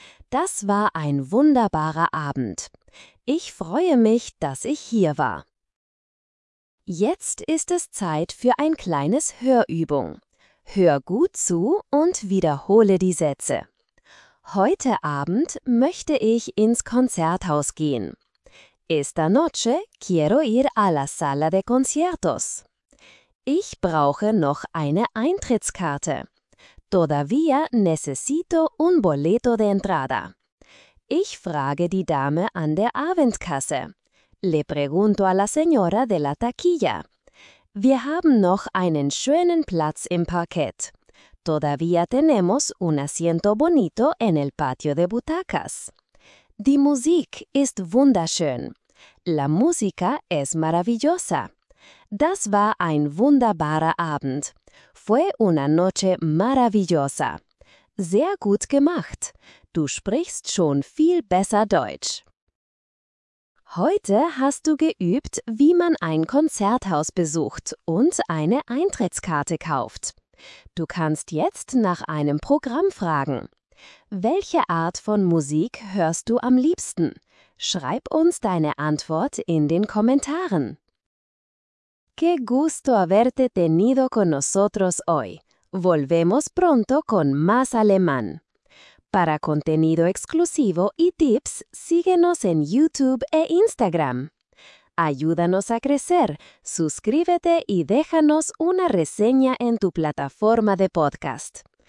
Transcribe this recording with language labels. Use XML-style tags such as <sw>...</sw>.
<de>Das war ein wunderbarer Abend. Ich freue mich, dass ich hier war. Jetzt ist es Zeit für ein kleines Hörübung. Hör gut zu und wiederhole die Sätze. Heute Abend möchte ich ins Konzerthaus gehen.</de> <es>Esta noche quiero ir a la sala de conciertos.</es> <de>Ich brauche noch eine Eintrittskarte.</de> <es>Todavía necesito un boleto de entrada.</es> <de>Ich frage die Dame an der Abendkasse.</de> <es>Le pregunto a la señora de la taquilla.</es> <de>Wir haben noch einen schönen Platz im Parkett.</de> <es>Todavía tenemos un asiento bonito en el patio de butacas.</es> <de>Die Musik ist wunderschön.</de> <es>La música es maravillosa.</es> <de>Das war ein wunderbarer Abend.</de> <es>Fue una noche maravillosa.</es> <de>Sehr gut gemacht. Du sprichst schon viel besser Deutsch. Heute hast du geübt, wie man ein Konzerthaus besucht und eine Eintrittskarte kauft. Du kannst jetzt nach einem Programm fragen. Welche Art von Musik hörst du am liebsten? Schreib uns deine Antwort in den Kommentaren.</de> <es>¡Qué gusto haberte tenido con nosotros hoy! Volvemos pronto con más alemán. Para contenido exclusivo y tips, síguenos en YouTube e Instagram. Ayúdanos a crecer, suscríbete y déjanos una reseña en tu plataforma de podcast.</es>